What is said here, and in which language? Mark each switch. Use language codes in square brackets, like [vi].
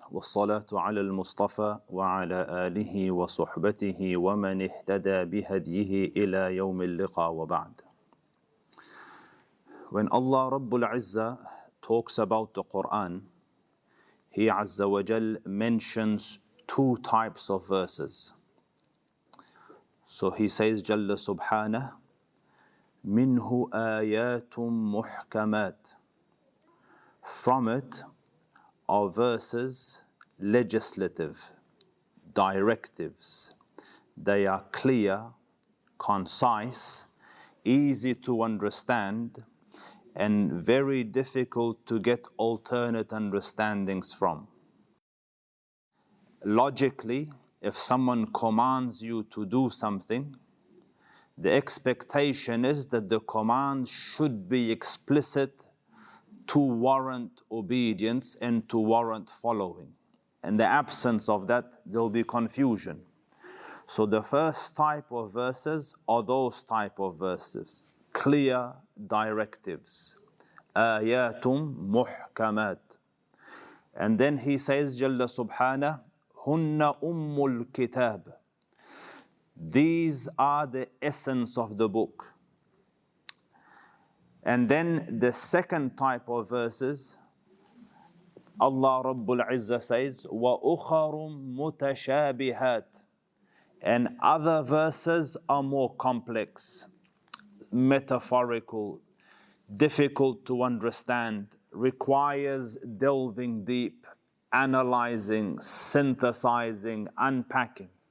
[ar] والصلاة على المصطفى وعلى آله وصحبته ومن اهتدى بهديه إلى يوم اللقاء وبعد. [en] When Allah Rabbul Izzah talks about the Quran, He Azza wa Jal mentions two types of verses. So He says, [ar] جل سبحانه منه آيات محكمات. [en] From it are verses, legislative directives. They are clear, concise, easy to understand, and very difficult to get alternate understandings from. Logically, if someone commands you to do something, the expectation is that the command should be explicit to warrant obedience and to warrant following. In the absence of that, there'll be confusion. So the first type of verses are those type of verses. Clear directives. [ar] آياتٌ محكمات. [en] And then he says, [ar] جل سبحانه, هُنَّ أُمُّ الْكِتَابِ. [en] These are the essence of the book. And then the second type of verses, Allah Rabbul Izzah says, [ar] وَأُخَرٌ مُتَشَابِهَاتٌ. [en] And other verses are more complex, metaphorical, difficult to understand, requires delving deep, analyzing, synthesizing, unpacking.